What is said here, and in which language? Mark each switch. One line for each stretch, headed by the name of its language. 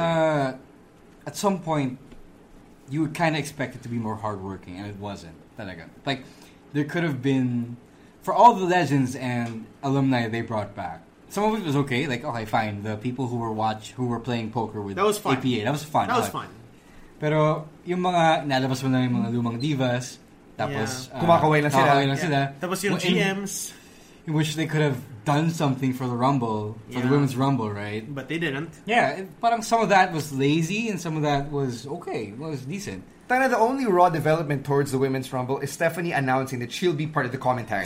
English: At some point, you would kind of expect it to be more hardworking, and it wasn't. Like, there could have been, for all the legends and alumni they brought back, some of it was okay. Like, okay, fine. The people who were playing poker with APA, that was fun.
Filipino: Pero yung mga nalabas mo na yung mga lumang divas, tapos kumakaway lang sila. Tapos yung GMs.
English: In which they could have done something for the Rumble, for the Women's Rumble, right? But they didn't. Yeah, parang some of that was lazy and some of that was okay, was decent. Tana, the only Raw development towards the Women's Rumble is Stephanie announcing that she'll be part of the commentary.